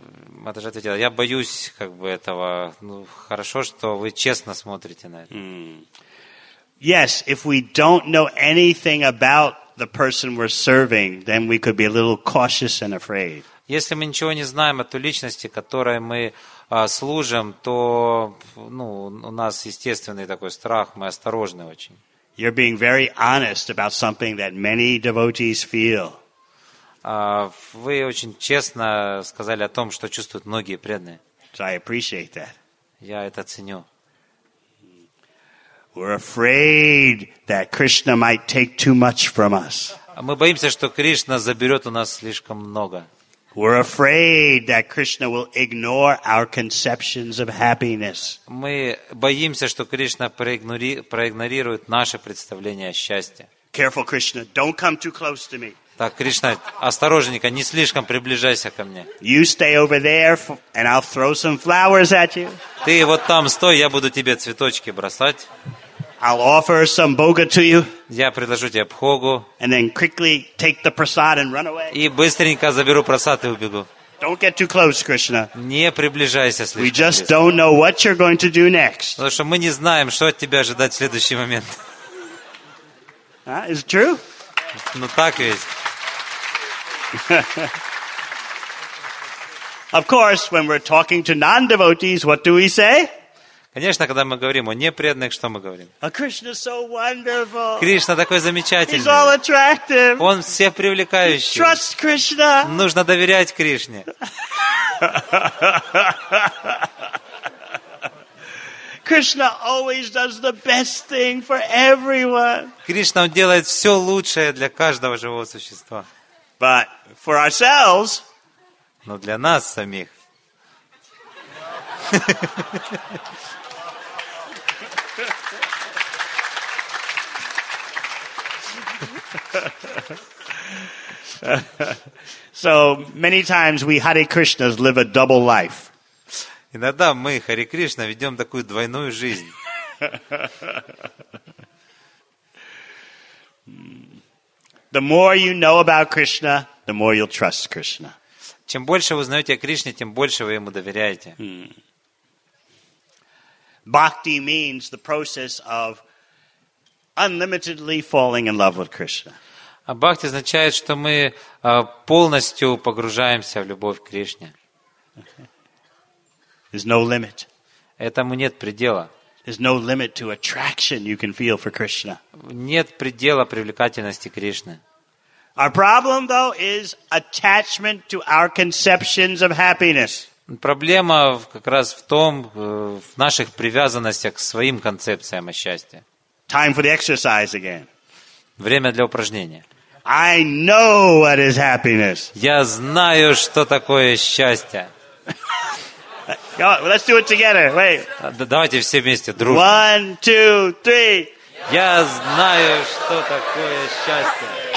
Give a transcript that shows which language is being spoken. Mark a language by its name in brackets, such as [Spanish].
[Russian] Матаджи ответила, я боюсь как бы этого. Ну, хорошо, что вы честно смотрите на это. Mm. [English] Yes, if we don't know anything about the person we're serving, then we could be a little cautious and afraid. [Russian] Если мы ничего не знаем о той личности, которой мы служим, то ну, у нас естественный такой страх, мы осторожны очень. [English] You're being very honest about something that many devotees feel. [Russian] Вы очень честно сказали о том, что чувствуют многие преданные. [English] So I appreciate that. [Russian] Я это ценю. [English] We're afraid that Krishna might take too much from us. [Russian] Мы боимся, что Кришна заберет у нас слишком много. [English] We're afraid that Krishna will ignore our conceptions of happiness. [Russian] Мы боимся, что Кришна проигнорирует наше представление о счастье. [English] Careful, Krishna, don't come too close to me. [Russian] Так, Кришна, осторожненько, не слишком приближайся ко мне. [English] You stay over there, and I'll throw some flowers at you. [Russian] Ты вот там стой, я буду тебе цветочки бросать. [English] I'll offer some bhoga to you. [Russian] Я предложу тебе бхогу. [English] And then quickly take the prasad and run away. [Russian] И быстренько заберу прасад и убегу. [English] Don't get too close, Krishna. [Russian] Не приближайся слишком. [English] We just don't know what you're going to do next. [Russian] Потому что мы не знаем, что от тебя ожидать в следующий момент. [English] Is it true? [Russian] Ну так ведь. [English] Of course, when we're talking to non-devotees, what do we say? [Russian] Конечно, когда мы говорим о непреданных, что мы говорим? [English] Oh, Krishna is so wonderful. [Russian] Кришна такой замечательный. [English] He's all attractive. [Russian] Он всех привлекающий. [English] Trust Krishna. [Russian] Нужно доверять Кришне. [English] Krishna always does the best thing for everyone. [Russian] Кришна делает все лучшее для каждого живого существа. [English] But for ourselves. [Russian] Но для нас самих. [English] So many times we Hare Krishnas live a double life. [Russian] Иногда мы Харе Кришна ведем такую двойную жизнь. [English] The more you know about Krishna, the more you'll trust Krishna. [Russian] Чем больше вы знаете о Кришне, тем больше вы ему доверяете. [English] Bhakti means the process of unlimitedly falling in love with Krishna. [Russian] А бхакти означает, что мы полностью погружаемся в любовь к Кришне. [English] Okay. There's no limit. [Russian] Этому нет предела. [English] There's no limit to attraction you can feel for Krishna. [Russian] Нет предела привлекательности Кришны. [English] Our problem, though, is attachment to our conceptions of happiness. [Russian] Проблема как раз в том, в наших привязанностях к своим концепциям о счастье. [English] Time for the exercise again. [Russian] Время для упражнения. [English] I know what is happiness. [Russian] Я знаю, что такое счастье. [English] Let's do it together. Wait. [Russian] Давайте все вместе, дружно. [English] One, two, three. [Russian] Я знаю, что такое счастье.